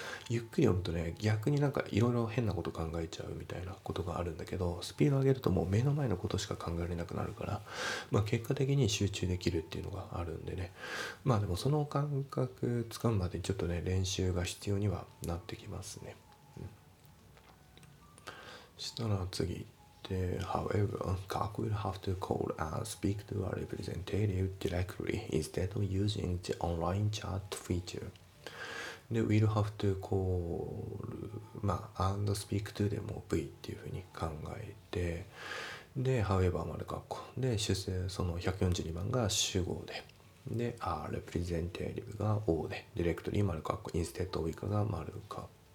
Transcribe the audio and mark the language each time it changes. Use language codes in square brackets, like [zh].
[ja] ゆっくり読むとね逆になんかいろいろ変なこと考えちゃうみたいなことがあるんだけど、スピード上げるともう目の前のことしか考えられなくなるから、まあ、結果的に集中できるっていうのがあるんでね。まあでもその感覚つかむまでちょっとね練習が必要にはなってきますね。したら次で、 [en] However, Kak will have to call and speak to a representative directly instead of using the online chat feature. [ja] で、 [en] will have to call、 [ja] まあ、 [en] and speak to [ja] でも V っていうふうに考えて、で、However, 丸括弧で、主制、その142番が主語で、で、 [en] a representative [ja] が O で、directly 丸括弧、 [en] instead of [ja] 以下が丸括弧。